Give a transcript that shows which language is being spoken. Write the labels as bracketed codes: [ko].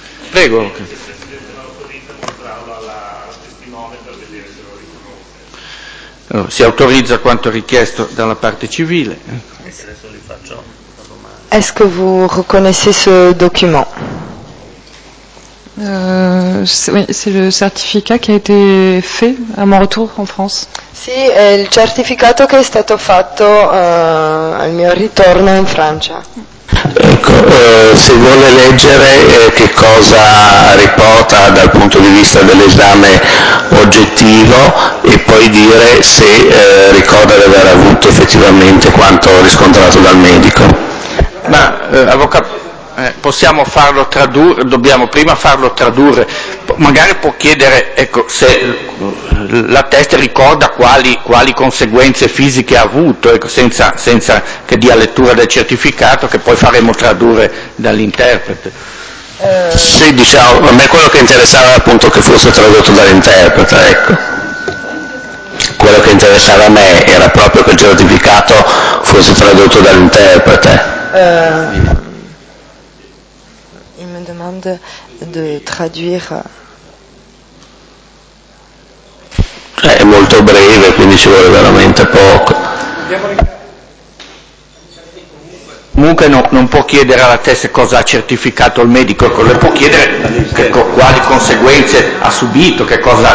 [it] Prego. Si autorizza quanto richiesto dalla parte civile. [fr] Est-ce que vous reconnaissez ce document? C'est le certificat qui a été fait à mon retour en France. [it] Sì, è il certificato che è stato fatto al mio ritorno in Francia. Ecco, se vuole leggere che cosa riporta dal punto di vista dell'esame oggettivo e poi dire se ricorda di aver avuto effettivamente quanto riscontrato dal medico. Ma avvocato, possiamo farlo tradurre, dobbiamo prima farlo tradurre, magari può chiedere, ecco, se la testa ricorda quali conseguenze fisiche ha avuto, ecco, senza che dia lettura del certificato, che poi faremo tradurre dall'interprete. Sì, diciamo, a me quello che interessava appunto che fosse tradotto dall'interprete, ecco. Quello che interessava a me era proprio che il certificato fosse tradotto dall'interprete. [fr] Il me demande de traduire. [it] È molto breve, quindi ci vuole veramente poco. Comunque non può chiedere alla testa cosa ha certificato il medico, le può chiedere quali conseguenze ha subito, che cosa.